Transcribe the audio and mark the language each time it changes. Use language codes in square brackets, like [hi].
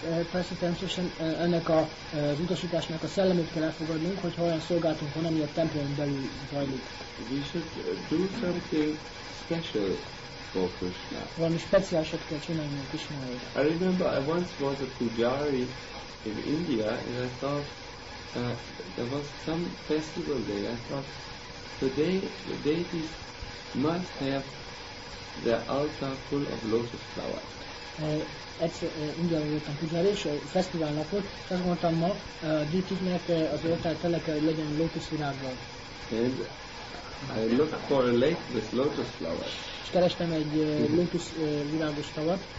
[hu] Persze természetesen ennek a utasításnak a szellemét kell elfogadnunk, hogy olyan szolgáltunk, hanem a templom belül zajlik. [en] We should do something special. [hu] Valami speciálisat kell csinálni a Krisnáért. [en] I remember I once was a pujari in India and I thought there was some festival there. I thought today the deities must have their altar full of lotus flowers. [hu] Indiai voltam pujari és fesztiválnak volt, és azt gondoltam ma, a deitiknek az oltár tele kell, hogy legyen lotus virággal. [en] I looked for a lake with lotus flowers. [hu] És kerestem egy lotus virágos tavat.